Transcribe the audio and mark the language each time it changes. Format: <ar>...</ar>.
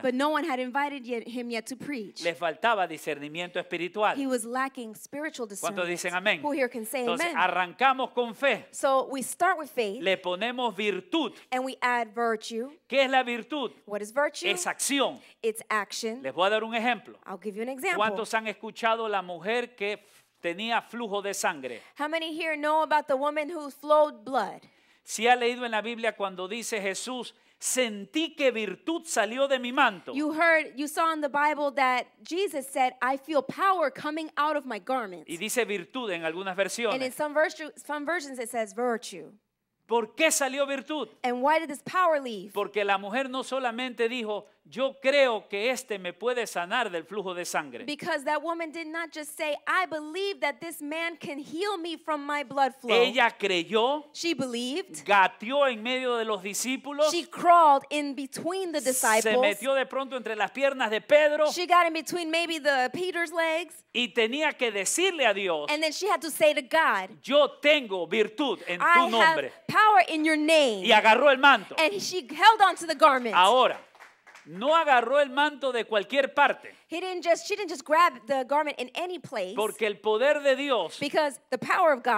<en>But no one had invited him yet to preach.</en> <es>Le faltaba discernimiento espiritual.</es> <en>He was lacking spiritual discernment.</en> <es>¿Cuántos dicen amén?</es> <en>Who here can say</en> <es>entonces,</es> <en>amen?</en> <es>Entonces arrancamos con fe.</es> <en>So we start with faith.</en> <es>Le ponemos virtud.</es> <en>And we add virtue.</en> <es>¿Qué es la virtud?</es> <en>What is virtue?</en> <es>Es acción.</es> <en>It's action.</en> <es>Les voy a dar un ejemplo.</es> <en>I'll give you an example.</en> <es>¿Cuántos han escuchado la mujer que tenía flujo de sangre?</es> <en>How many here know about the woman who flowed blood?</en> <es>Si ha leído en la Biblia cuando dice Jesús, sentí que virtud salió de mi manto.</es> <en>You heard, you saw in the Bible that Jesus said, I feel power coming out of my garments.</en> <es>Y dice virtud en algunas versiones.</es> <en>And in some versions it says virtue.</en> <es>¿Por qué salió virtud?</es> <en>And why did this power leave?</en> <es>Porque la mujer no solamente dijo, yo creo que este me puede sanar del flujo de sangre.</es> <en>Because that woman did not just say, I believe that this man can heal me from my blood flow.</en> <es>Ella creyó.</es> <en>She believed.</en> <es>Gateó en medio de los discípulos.</es> <en>She crawled in between the disciples.</en> <es>Se metió de pronto entre las piernas de Pedro.</es> <en>She got in between maybe the Peter's legs.</en> <es>Y tenía que decirle a Dios.</es> <en>And then she had to say to God,</en> <es>yo tengo virtud en tu</es> <en>I</en> <es>nombre.</es> <en>I have power in your name.</en> <es>Y agarró el manto.</es> <en>And she held onto the garment.</en> <es>Ahora. No agarró el manto de cualquier parte.</es> <en>He didn't just, she didn't just grab the garment in any place.</en> <es>Porque el poder de Dios</es> <en>because the power of God</en>